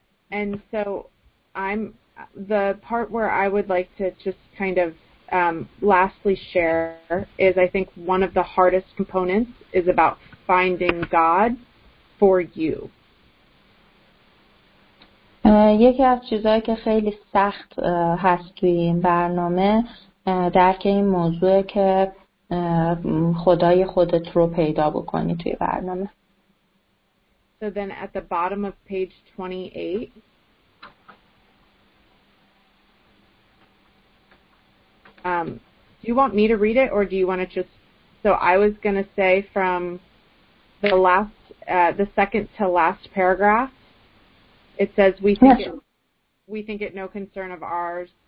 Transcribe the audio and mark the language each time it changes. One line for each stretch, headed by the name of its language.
English: And so I'm the part where I would like to just kind of lastly share is I think one of the hardest components is about finding God for you.
Persian: یکی از چیزهایی که خیلی سخت هست توی این برنامه درک این موضوعه که خدای خودت رو پیدا بکنی توی برنامه.
English: So then at the bottom of page 28 do you want me to read it or do you want to just so I was going to say from the last the second to last paragraph it says we think it no concern of ours